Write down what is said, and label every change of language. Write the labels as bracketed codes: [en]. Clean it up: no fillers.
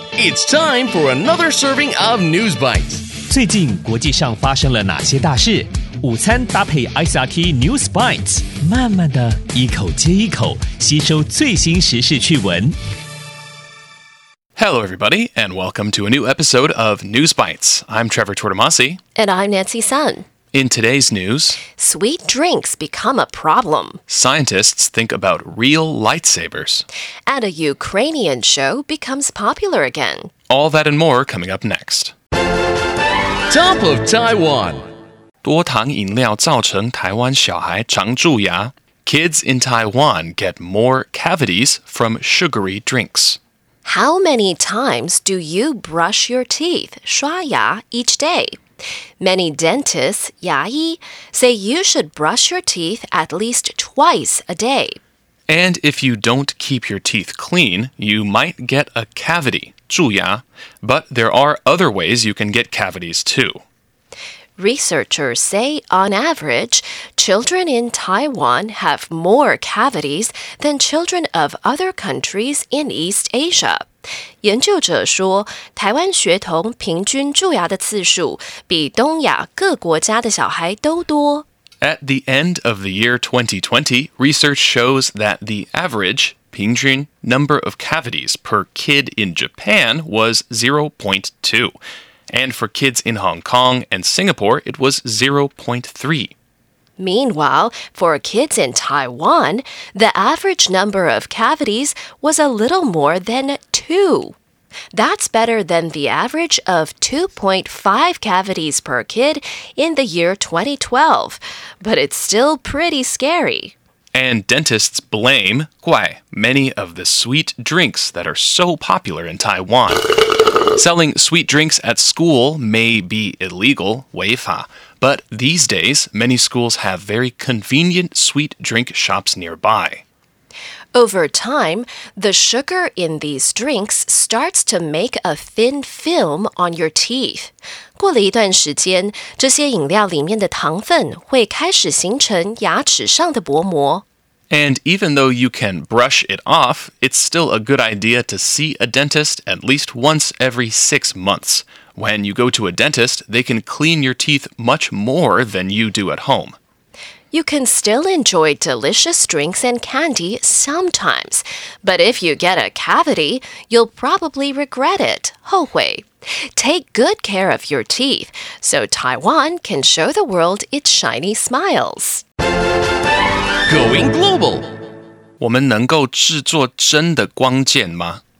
[en] It's time for another serving of News Bites. [zh] 最近国际上发生了哪些大事？午餐搭配 ICRT News Bites， 慢慢的一口接一口吸收最新时事趣闻。 [en] Hello, everybody, and welcome to a new episode of News Bites. I'm Trevor Tortomasi. And I'm Nancy Sun. In today's news, sweet drinks become a problem. Scientists think about real lightsabers. And a Ukrainian show becomes popular again. All that and more coming up next. Top of Taiwan. [zh] 多糖饮料造成台湾小孩常蛀牙. [en] Kids in Taiwan get more cavities from sugary drinks. How many times do you brush your teeth, 刷牙, each day? Many dentists, 牙医, say you should brush your teeth at least twice a day. And if you don't keep your teeth clean, you might get a cavity, 蛀牙, but there are other ways you can get cavities too. Researchers say, on average, children in Taiwan have more cavities than children of other countries in East Asia. [zh] 研究者说，台湾学童平均蛀牙的次数比东亚各国家的小孩都多。 [en] At the end of the year 2020, research shows that the average, 平均, number of cavities per kid in Japan was 0.2, and for kids in Hong Kong and Singapore, it was 0.3. Meanwhile, for kids in Taiwan, the average number of cavities was a little more than 2. That's better than the average of 2.5 cavities per kid in the year 2012, but it's still pretty scary. And dentists blame, 怪, many of the sweet drinks that are so popular in Taiwan. Selling sweet drinks at school may be illegal, 违法,But these days, many schools have very convenient sweet drink shops nearby. Over time, the sugar in these drinks starts to make a thin film on your teeth. [zh] 过了一段时间，这些饮料里面的糖分会开始形成牙齿上的薄膜。 [en] And even though you can brush it off, it's still a good idea to see a dentist at least once every 6 months. When you go to a dentist, they can clean your teeth much more than you do at home. You can still enjoy delicious drinks and candy sometimes, but if you get a cavity, you'll probably regret it, 后悔. Take good care of your teeth, so Taiwan can show the world its shiny smiles. Going global! [zh] 我们能够制作真的光剑吗?